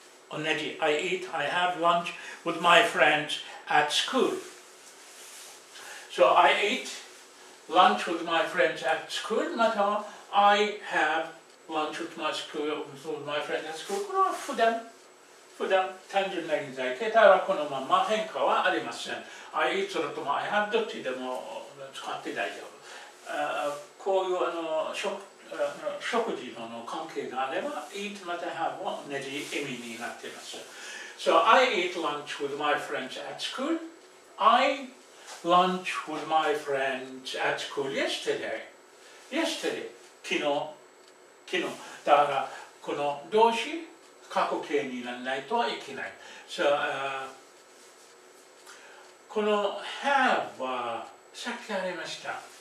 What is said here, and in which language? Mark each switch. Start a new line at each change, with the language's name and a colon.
English: I eat lunch with my friends at school. So, I eat lunch with my friends at school. Now, I have... Lunch with my school, with my friend at school.
Japanese: これは普段、単純な現在形。ただこのまま変化はありません。
English: I eat,
Japanese: それとも
English: I have,
Japanese: どっちでも使って大丈夫。こういうあの 食事の関係があれば、eat, また have は同じ意味になっています。
English: So, I eat lunch with my friends at school. I lunch with my friends at school yesterday.
Japanese: 昨日、だからこの動詞、過去形にならないとはいけない。 So, この have はさっきありました。